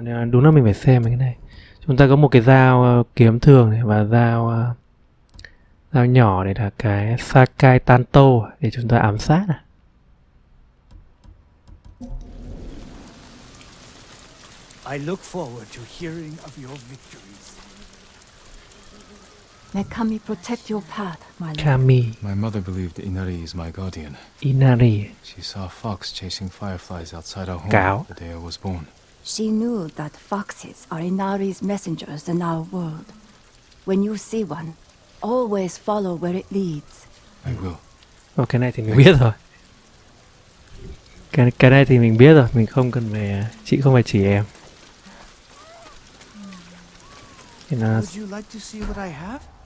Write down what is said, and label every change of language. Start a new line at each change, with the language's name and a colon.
Vietnamese: Đúng là mình phải xem cái này. Chúng ta có một cái dao kiếm thường này và dao dao nhỏ này là cái Sakai Tanto để chúng ta ám sát à.
English: I look forward to hearing of your victories. May Kami protect your path, my lord. Kami. My mother believed Inari is my guardian. Inari. She saw a fox chasing fireflies outside our home Kao. The day I was born. She knew that foxes are Inari's messengers in our world. When you see one, always follow where it leads. I will.
Vietnamese: Oh, cái này thì mình biết rồi. Cái này thì mình biết rồi. Mình không cần về chị không phải chỉ em.
English: Would you like to see what I have?